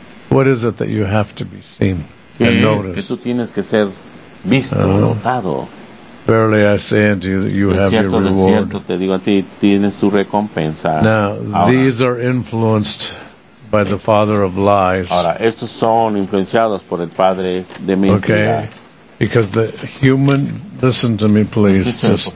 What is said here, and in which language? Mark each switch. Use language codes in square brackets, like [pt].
[en] What is it that you have to be seen and noticed? [es] Que tú tienes que ser visto, notado. [en] Verily I say unto you that you have your reward. [es] De cierto, te digo a ti, tienes tu recompensa. [en] Now, these are influenced by the father of lies. [es] Ahora, estos son influenciados por el padre de mentiras. [en] Okay, because the human, listen to me please, just